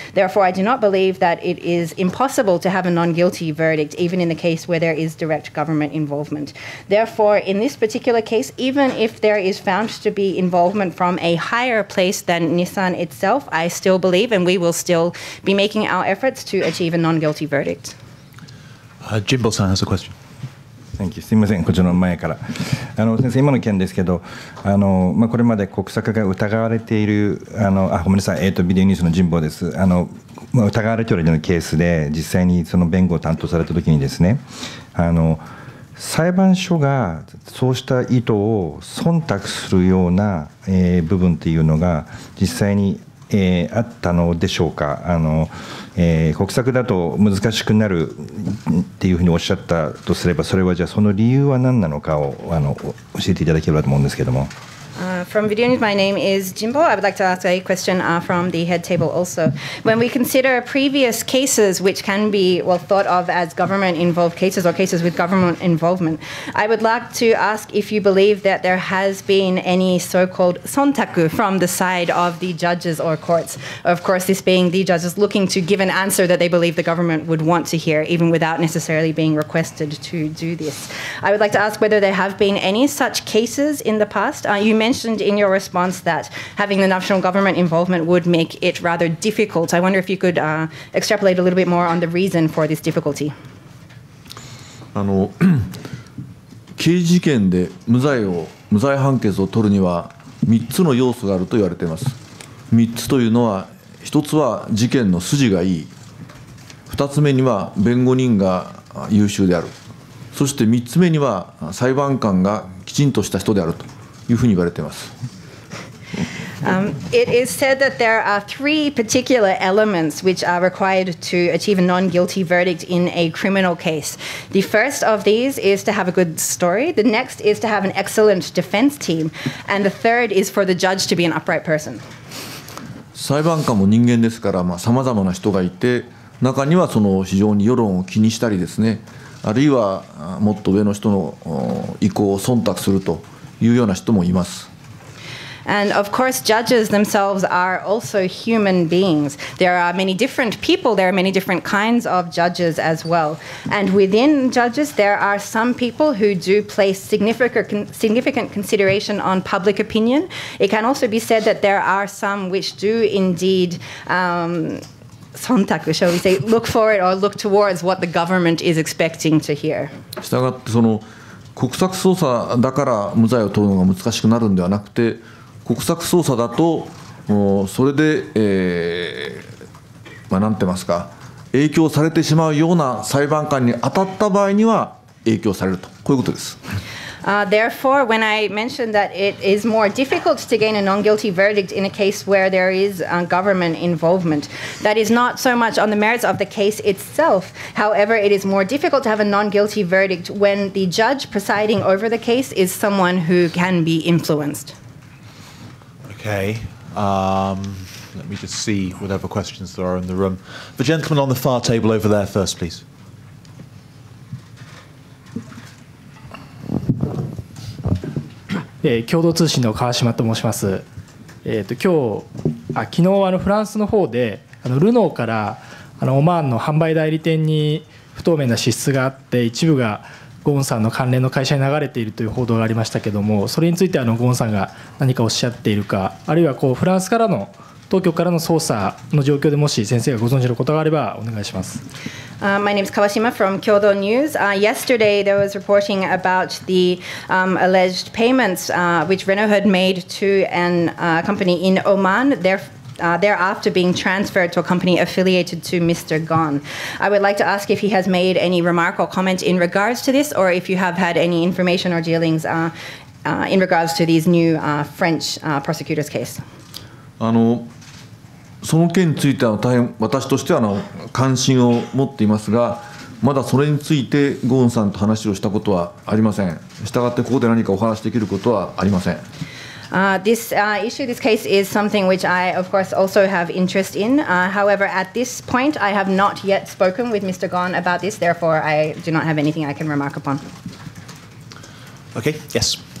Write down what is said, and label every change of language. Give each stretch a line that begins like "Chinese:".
English: Therefore, I do not believe that it is impossible to have a non-guilty verdict, even in the case where there is direct government involvement. Therefore, in this particular case, even if there is found to be involvement from a higher place than Nissan itself, I still believe, and we will still be making our efforts to achieve a non-guilty verdict. Jimbo-san has a question. Thank you.
Japanese: すみません、こちらの前から先生、今の件ですけど、これまで国策が疑われている、ごめんなさい、ビデオニュースの神保です。疑われているケースで、実際にその弁護を担当されたときにですね、裁判所がそうした意図を忖度するような、部分というのが実際に、あったのでしょうか。国策だと難しくなるっていうふうにおっしゃったとすれば、それはじゃあその理由は何なのかを教えていただければと思うんですけども。
English: from Video News. My name is Jimbo. I would like to ask a question from the head table also. When we consider previous cases, which can be well thought of as government-involved cases or cases with government involvement, I would like to ask if you believe that there has been any so-called sontaku from the side of the judges or courts. Of course, this being the judges looking to give an answer that they believe the government would want to hear, even without necessarily being requested to do this. I would like to ask whether there have been any such cases in the past. You mentioned in your response that having the national government involvement would make it rather difficult. I wonder if you could extrapolate a little bit more on the reason for this difficulty.
Japanese: 刑事事件で無罪判決を取るには3つの要素があると言われています。 3つというのは、1つは事件の筋がいい、2つ目には弁護人が優秀である、そして3つ目には裁判官がきちんとした人であるというふうに言われています。
English: It is said that there are three particular elements which are required to achieve a non-guilty verdict in a criminal case. The first of these is to have a good story. The next is to have an excellent defense team. And the third is for the judge to be an upright person.
Japanese: 裁判官も人間ですから、まあ、様々な人がいて、中にはその非常に世論を気にしたりですね、あるいはもっと上の人の意向を忖度するというような人もいます。
English: And of course, judges themselves are also human beings. There are many different people. There are many different kinds of judges as well. And within judges, there are some people who do place significant consideration on public opinion. It can also be said that there are some which do indeed, sontaku, shall we say, look for it or look towards what the government is expecting to hear.
Japanese: 従ってその国策捜査だから無罪を取るのが難しくなるんではなくて、国策捜査だと、それで、まあ、なんて言いますか、影響されてしまうような裁判官に当たった場合には影響されると、こういうことです。
English: Therefore, when I mentioned that it is more difficult to gain a non-guilty verdict in a case where there is government involvement, that is not so much on the merits of the case itself. However, it is more difficult to have a non-guilty verdict when the judge presiding over the case is someone who can be influenced. Okay, let me just see whatever questions there are in the room. The gentleman on the far table over there first, please.
Japanese: 共同通信の川島と申します。今日、昨日はフランスの方でルノーからオマーンの販売代理店に不透明な支出があって一部がゴーンさんの関連の会社に流れているという報道がありましたけれども、それについてゴーンさんが何かおっしゃっているか、あるいはフランスからの当局からの捜査の状況でもし先生がご存知のことがあればお願いします。
English: My name is Kawashima from Kyodo News. Yesterday, there was reporting about the alleged payments which Renault had made to an company in Oman. Thereafter being transferred to a company affiliated to Mr. Ghosn. I would like to ask if he has made any remark or comment in regards to this, or if you have had any information or dealings in regards to these new French prosecutors' case.
Japanese: その件については大変私としては関心を持っていますが、まだそれについてゴーンさんと話をしたことはありません。したがってここで何かお話できることはありません。
English: This issue, this case is something which I, of course, also have interest in. However, at this point, I have not yet spoken with Mr. Ghosn about this. Therefore, I do not have anything I can remark upon. Okay, yes.